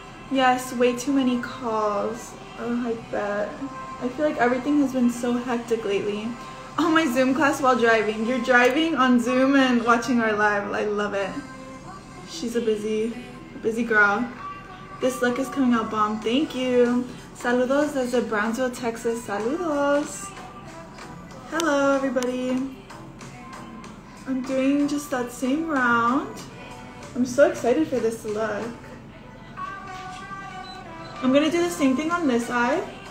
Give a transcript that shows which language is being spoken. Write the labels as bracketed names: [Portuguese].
[English] Yes, way too many calls. Oh, I bet. I feel like everything has been so hectic lately. Oh, my Zoom class while driving. You're driving on Zoom and watching our live. I love it. She's a busy girl. This look is coming out bomb. Thank you. [Spanish] Saludos desde Brownsville, Texas. [English] Saludos. Hello, everybody. I'm doing just that same round. I'm so excited for this look. I'm gonna do the same thing on this eye.